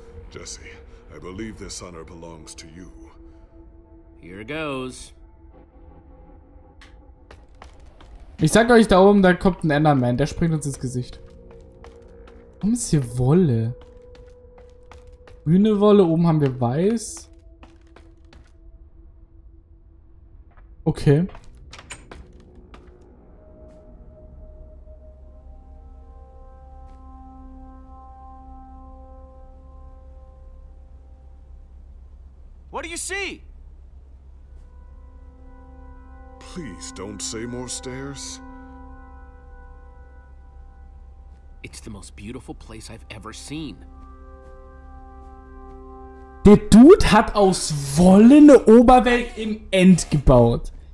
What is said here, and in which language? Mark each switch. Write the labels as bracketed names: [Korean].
[English] Jesse, I believe this honor belongs to you. Here goes. [German] Ich sag euch da oben, da kommt ein Enderman, der springt uns ins Gesicht. Warum ist hier Wolle? Grüne Wolle, oben haben wir weiß. Okay. [English] What do you see? Please don't say more stairs. It's the most beautiful place I've ever seen. [German] Der Dude hat aus Wolle eine Oberwelt im End gebaut.